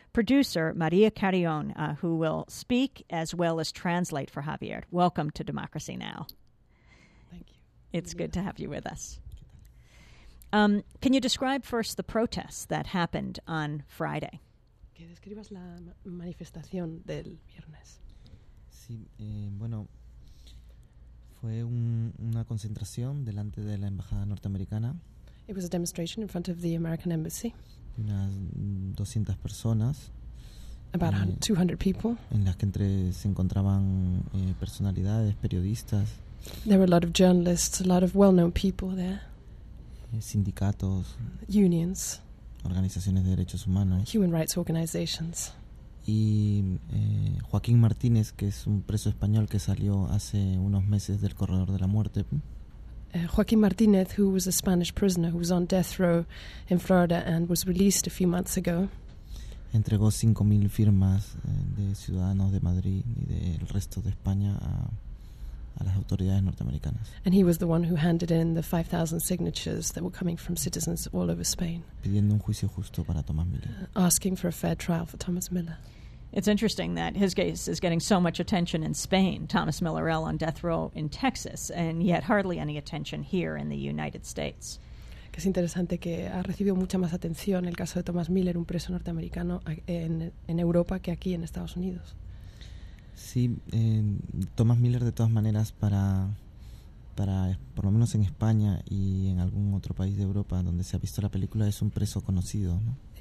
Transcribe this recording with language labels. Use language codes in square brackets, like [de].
[en] Producer, Maria Carrion, who will speak as well as translate for Javier. Welcome to Democracy Now! Thank you. It's good to have you with us. Can you describe first the protests that happened on Friday? [es] Que describas la manifestación del viernes. Sí, bueno, fue una concentración delante de la embajada norteamericana. [en] It was a demonstration in front of the American embassy. [es] Unas 200 personas. [en] About 200 people. [es] En las que entre se encontraban personalidades, periodistas. [en] There were a lot of journalists, a lot of well-known people there. [es] Sindicatos. [en] Unions. [es] Organizaciones de derechos humanos. [en] Human rights organizations. [es] Y Joaquín Martínez, que es un preso español que salió hace unos meses del corredor de la muerte. [en] Joaquín Martínez, who was a Spanish prisoner who was on death row in Florida and was released a few months ago. [es] Entregó 5,000 firmas de ciudadanos de Madrid y del resto de España a las autoridades norteamericanas. [en] And he was the one who handed in the 5,000 signatures that were coming from citizens all over Spain. [es] Pidiendo un juicio justo para Tomás Miller. [en] Asking for a fair trial for Thomas Miller. It's interesting that his case is getting so much attention in Spain, Thomas Millerell on death row in Texas, and yet hardly any attention here in the United States. [es] Es interesante que ha recibido mucha más atención el caso de Tomás Miller, un preso norteamericano, en Europa que aquí en Estados Unidos. Sí, Thomas Miller, de todas maneras, para para, por lo menos en España y en algún otro país de Europa donde se ha visto la película, es un preso conocido, ¿no?